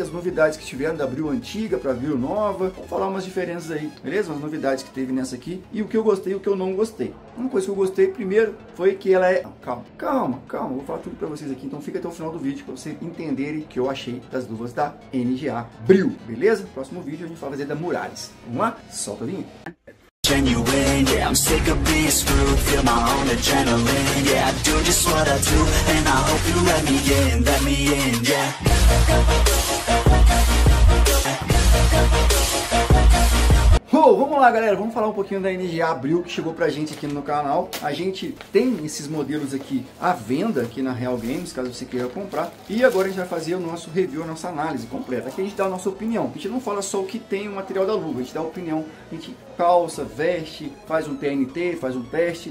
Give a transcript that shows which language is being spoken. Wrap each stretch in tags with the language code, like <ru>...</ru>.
<pt>As novidades que tiveram da Bril antiga pra Bril nova. Vamos falar umas diferenças aí, beleza? As novidades que teve nessa aqui. E o que eu gostei e o que eu não gostei. Uma coisa que eu gostei primeiro foi que ela é... Calma. Vou falar tudo pra vocês aqui. Então fica até o final do vídeo pra vocês entenderem o que eu achei das luvas da NGA Bril. Beleza? Próximo vídeo a gente vai fazer da Muralis. Vamos lá? Solta a vinheta.</pt> <en>Genuine, yeah, I'm sick of being screwed. Feel my own adrenaline, yeah, I do just what I do. And I hope you let me in, yeah.</en> <pt>Oh, vamos lá, galera, vamos falar um pouquinho da NGA Abril que chegou pra gente aqui no canal. A gente tem esses modelos aqui à venda aqui na Real Games, caso você queira comprar. E agora a gente vai fazer o nosso review, a nossa análise completa. Aqui a gente dá a nossa opinião. A gente não fala só o que tem o material da luva, a gente dá a opinião, a gente calça, veste, faz um TNT, faz um teste.</pt>